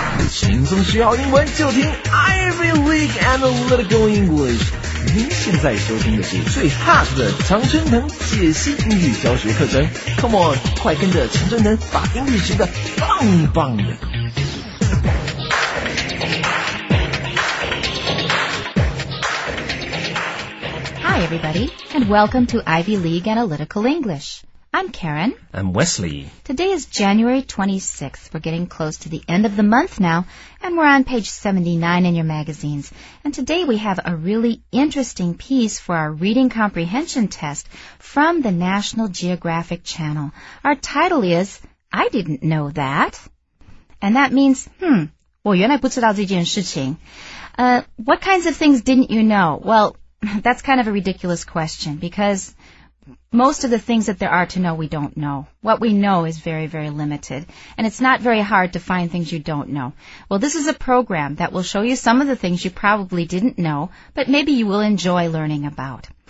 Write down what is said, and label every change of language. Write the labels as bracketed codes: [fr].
[zh] 轻松学好英文就听 Ivy League Analytical English。您现在收听的是最 hot 的常春藤解析英语教学课程。 [en] Come on， [zh] 快跟着常春藤把英语学得棒棒的。 [en] Hi, everybody, and welcome to Ivy League Analytical English. I'm Karen. I'm Wesley. Today is January 26th. We're getting close to the end of the month now, and we're on page 79 in your magazines. And today we have a really interesting piece for our reading comprehension test from the National Geographic Channel. Our title is, I Didn't Know That. And that means, [zh] 我原来不知道这件事情。 [en] What kinds of things didn't you know? Well, that's kind of a ridiculous question, becausemost of the things that there are to know, we don't know. What we know is very, very limited. And it's not very hard to find things you don't know. Well, this is a program that will show you some of the things you probably didn't know, but maybe you will enjoy learning about.